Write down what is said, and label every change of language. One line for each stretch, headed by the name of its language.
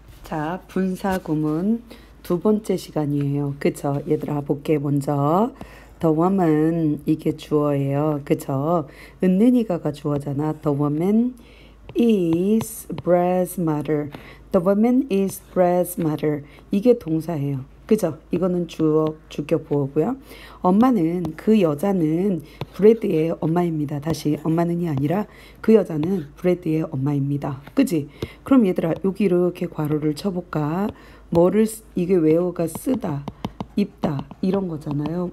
Korean: 자, 분사 구문 두 번째 시간이에요. 그쵸? 얘들아, 볼게. 먼저, the woman, 이게 주어예요. 그쵸? 은은이가가 주어잖아.
English: The woman is bread's mother. The woman is bread's mother.
Korean: 이게 동사예요. 그죠? 이거는 주어, 주격 보호고요. 엄마는, 그 여자는 브레드의 엄마입니다. 다시, 엄마는이 아니라 그 여자는 브레드의 엄마입니다. 그지? 그럼 얘들아, 여기 이렇게 괄호를 쳐볼까? 뭐를, 이게 외워가 쓰다, 입다, 이런 거잖아요.